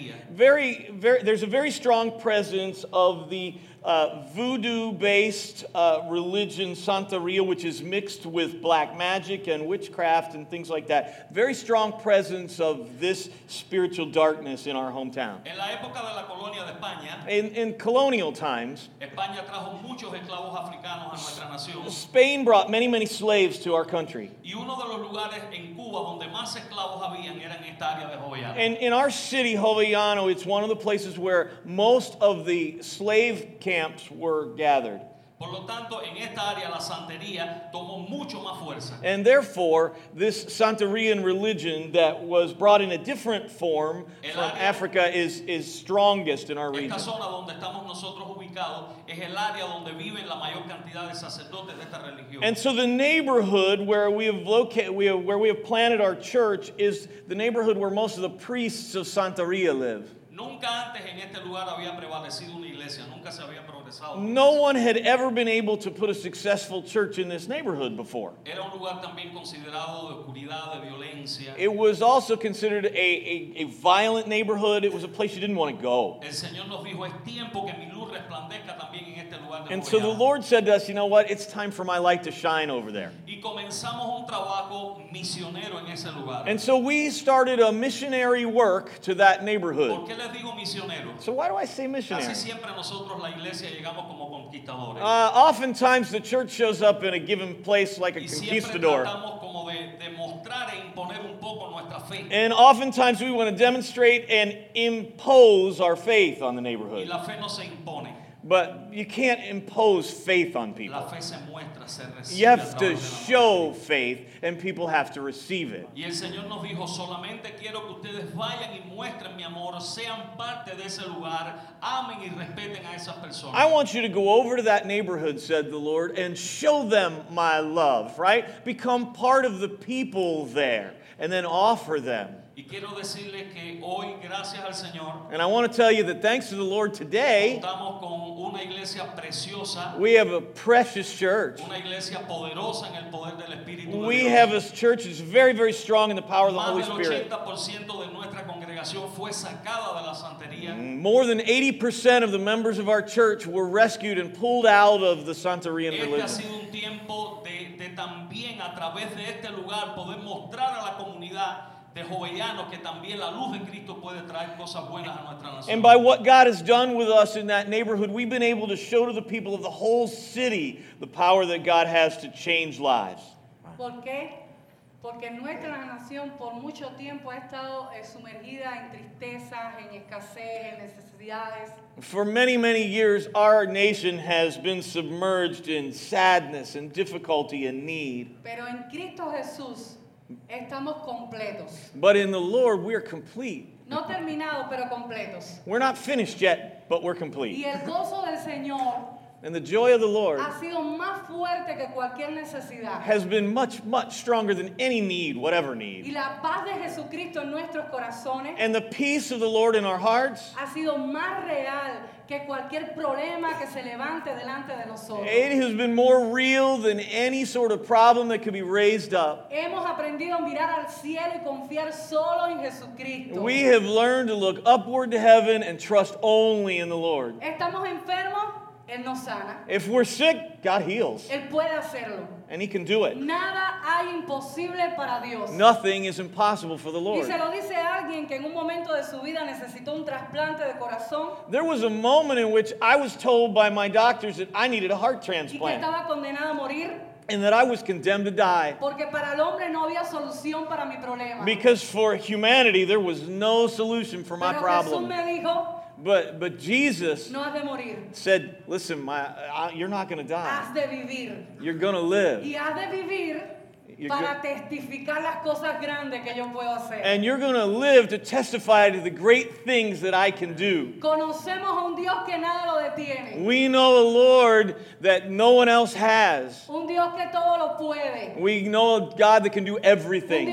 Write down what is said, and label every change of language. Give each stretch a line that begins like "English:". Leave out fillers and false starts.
English: There's a very strong presence of the voodoo-based religion Santeria, which is mixed with black magic and witchcraft and things like that. Very strong presence of this spiritual darkness in our hometown.
Spanish: En la época de la colonia de España,
English: in colonial times,
Spanish: España trajo muchos esclavos africanos a nuestra nación.
English: Spain brought many, many slaves to our country.
Spanish: Y uno de los lugares en Cuba donde más esclavos habían era en esta área de Jovellanos.
English: And in our city, Jovellanos, it's one of the places where most of the slave camps were gathered.
Spanish: Por lo tanto, en esta área, la santería tomó mucho más fuerza.
English: And therefore, this Santerian religion that was brought in a different form from Africa is strongest in our region.
Spanish: Esta zona donde estamos nosotros ubicados es el área donde viven la mayor cantidad de sacerdotes de esta religión.
English: And so the neighborhood where we have located, where we have planted our church is the neighborhood where most of the priests of Santeria live.
Spanish: Nunca antes en este lugar había prevalecido una iglesia, nunca se había progresado.
English: No one had ever been able to put a successful church in this neighborhood before.
Spanish: Era un lugar también considerado de oscuridad, de violencia.
English: It was also considered a violent neighborhood. It was a place you didn't want to go.
Spanish: El Señor nos dijo, es tiempo que mi luz resplandezca también en este lugar.
English: And so the Lord said to us, you know what? It's time for my light to shine over there.
Spanish: Y comenzamos un trabajo misionero en ese lugar.
English: And so we started a missionary work to that neighborhood.
Spanish: ¿Por qué les digo misionero?
English: So why do I say missionary?
Spanish: Casi siempre nosotros la iglesia llegamos como conquistadores.
English: Oftentimes the church shows up in a given place like a conquistador.
Spanish: Y siempre tratamos como de demostrar e imponer un poco nuestra fe.
English: And oftentimes we want to demonstrate and impose our faith on the neighborhood.
Spanish: Y la fe no se impone.
English: But you can't impose faith on people.
Spanish: La fe se muestra, se recibe.
English: You have to show faith, and people have to receive it.
Spanish: Y el Señor nos dijo, solamente quiero que ustedes vayan y muestren mi amor, sean parte de ese lugar, amen y respeten a esas personas.
English: I want you to go over to that neighborhood, said the Lord, and show them my love, right? Become part of the people there, and then offer them.
Spanish: Y quiero decirle que hoy, gracias al Señor,
English: and I want to tell you that thanks to the Lord today,
Spanish: contamos con una iglesia preciosa,
English: we have a precious church.
Spanish: Una iglesia poderosa en el poder del Espíritu de
English: we
Spanish: Dios.
English: Have a church that's very, very strong in the power
Spanish: más
English: of the Holy Spirit.
Spanish: De nuestra congregación fue sacada de la santería.
English: More than 80% of the members of our church were rescued and pulled out of the Santerian religion.
Spanish: Este ha sido un tiempo de también a través de este lugar poder mostrar a la comunidad de jovellanos que también la luz de Cristo puede traer cosas buenas a nuestra nación.
English: And by what God has done with us in that neighborhood, we've been able to show to the people of the whole city the power that God has to change lives.
Spanish: ¿Por qué? Porque nuestra nación por mucho tiempo ha estado sumergida en tristezas, en escasez, en necesidades.
English: For many, many years, our nation has been submerged in sadness and difficulty and need.
Spanish: Pero en Cristo Jesús estamos completos.
English: But in the Lord, we are complete.
Spanish: No terminado, pero completos.
English: We're not finished yet, but we're complete.
Spanish: Y el gozo del Señor
English: and the joy of the Lord
Spanish: ha sido más fuerte que cualquier necesidad.
English: Has been much, much stronger than any need, whatever need.
Spanish: Y la paz de Jesucristo en nuestros corazones
English: and the peace of the Lord in our hearts
Spanish: ha sido más real que cualquier problema que se levante delante de nosotros.
English: It has been more real than any sort of problem that could be raised up.
Spanish: Hemos aprendido a mirar al cielo y confiar solo en Jesucristo.
English: We have learned to look upward to heaven and trust only in the Lord.
Spanish: Estamos enfermos. Él nos sana.
English: If we're sick, God heals.
Spanish: Él puede hacerlo.
English: And he can do it.
Spanish: Nada hay imposible para Dios.
English: Nothing is impossible for the Lord.
Spanish: Y se lo dice alguien que en un momento de su vida necesitó un trasplante de corazón.
English: There was a moment in which I was told by my doctors that I needed a heart transplant.
Spanish: Y que estaba condenado a morir.
English: And that I was condemned to die.
Spanish: Porque para el hombre no había solución para mi problema.
English: Because for humanity, there was no solution for my problem.
Spanish: Pero Jesús me dijo,
English: But Jesus
Spanish: no has de morir.
English: Said, listen, you're not going to die.
Spanish: Has de vivir.
English: You're going to live.
Spanish: Y has de vivir para testificar las cosas grandes que yo puedo hacer.
English: And you're going to live to testify to the great things that I can do.
Spanish: Conocemos a un Dios que nada lo detiene.
English: We know a Lord that no one else has.
Spanish: Un Dios que todo lo puede.
English: We know a God that can do everything.